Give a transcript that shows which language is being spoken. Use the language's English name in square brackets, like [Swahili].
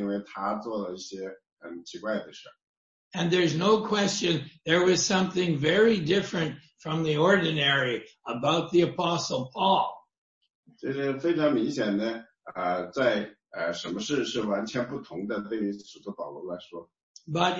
[Chinese] 我不喜欢我去想那个人的方式去想他，因为他做了一些很奇怪的事。And [English] there's no question there was something very different from the ordinary about the Apostle Paul. [Chinese] 这是非常明显的，在什么事是完全不同的，对于使徒保罗来说。But